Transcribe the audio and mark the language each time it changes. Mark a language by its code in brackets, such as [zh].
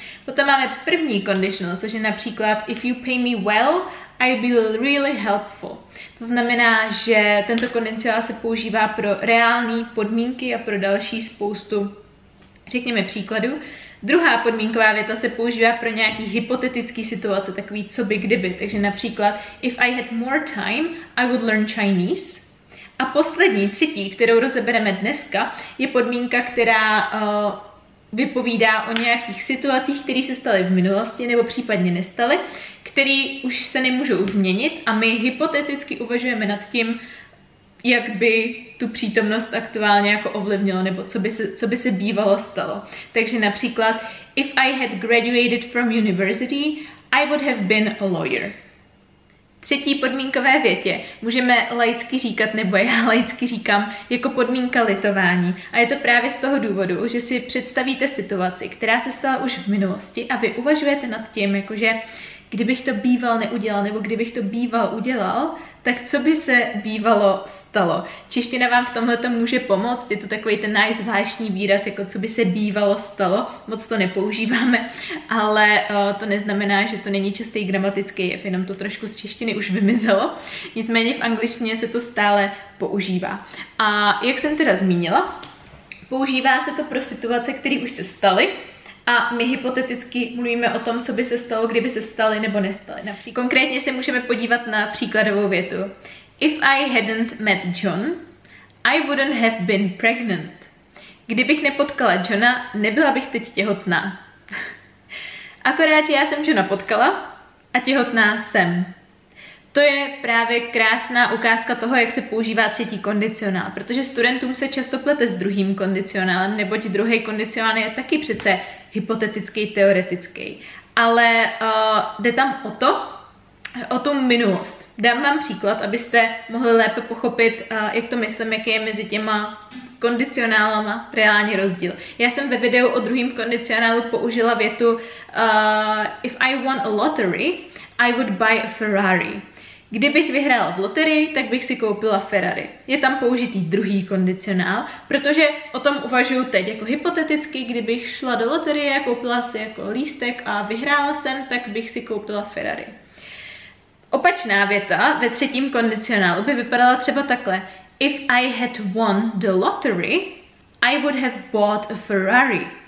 [cs] Potom máme první conditional, což je například [en] if you pay me well, I will be really helpful. [cs] To znamená, že tento kondicionál se používá pro reální podmínky a pro další spoustu, řekněme, příkladů. Druhá podmínková věta se používá pro nějaký hypotetický situace, takový co by kdyby. Takže například [en] if I had more time, I would learn Chinese. [cs] A poslední, třetí, kterou rozebereme dneska, je podmínka, která vypovídá o nějakých situacích, které se staly v minulosti nebo případně nestaly, které už se nemůžou změnit a my hypoteticky uvažujeme nad tím, jak by tu přítomnost aktuálně jako ovlivnilo nebo co by se bývalo stalo. Takže například, [en] if I had graduated from university, I would have been a lawyer. [cs] Třetí podmínkové větě můžeme laicky říkat, nebo já laicky říkám, jako podmínka litování. A je to právě z toho důvodu, že si představíte situaci, která se stala už v minulosti a vy uvažujete nad tím, jakože kdybych to býval neudělal, nebo kdybych to býval udělal, tak co by se bývalo stalo? Čeština vám v tomhleto může pomoct, je to takový ten náš zvláštní výraz, jako co by se bývalo stalo, moc to nepoužíváme, ale to neznamená, že to není častý gramatický jev, jenom to trošku z češtiny už vymizelo, nicméně v angličtině se to stále používá. A jak jsem teda zmínila, používá se to pro situace, které už se staly, a my hypoteticky mluvíme o tom, co by se stalo, kdyby se staly nebo nestaly. Například konkrétně se můžeme podívat na příkladovou větu. [en] If I hadn't met John, I wouldn't have been pregnant. [cs] Kdybych nepotkala Johna, nebyla bych teď těhotná. Akorát, že já jsem Johna potkala a těhotná jsem. To je právě krásná ukázka toho, jak se používá třetí kondicionál, protože studentům se často plete s druhým kondicionálem, neboť druhý kondicionál je taky přece hypotetický, teoretický. Ale jde tam o to, o tu minulost. Dám vám příklad, abyste mohli lépe pochopit, jak to myslím, jaký je mezi těma kondicionálama reálně rozdíl. Já jsem ve videu o druhém kondicionálu použila větu [en] if I won a lottery, I would buy a Ferrari. [cs] Kdybych vyhrála v loterii, tak bych si koupila Ferrari. Je tam použitý druhý kondicionál, protože o tom uvažuju teď. Jako hypoteticky, kdybych šla do loterie, koupila si jako lístek a vyhrála jsem, tak bych si koupila Ferrari. Opačná věta ve třetím kondicionálu by vypadala třeba takhle. [en] If I had won the lottery, I would have bought a Ferrari.